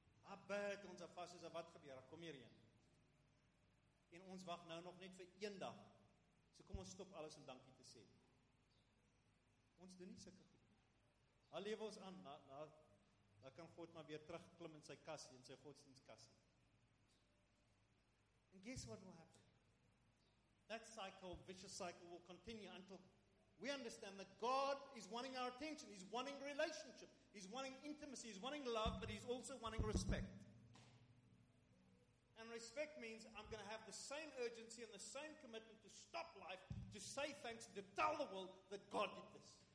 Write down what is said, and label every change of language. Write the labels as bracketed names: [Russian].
[Afrikaans] Abbid ons af vas soos wat gebeur, kom hier reën. En ons wag nou nog net vir een dag. So kom ons stop alles om dankie te sê. Ons doen nie sulke goed. Al lewe ons aan na kan God maar weer terugklim in sy kassie, in sy godsdienstkassie. [English] And guess what will happen? That cycle, vicious cycle, will continue until we understand that God is wanting our attention. He's wanting relationship. He's wanting intimacy. He's wanting love, but He's also wanting respect. And respect means I'm going to have the same urgency and the same commitment to stop life, to say thanks, to tell the world that God did this.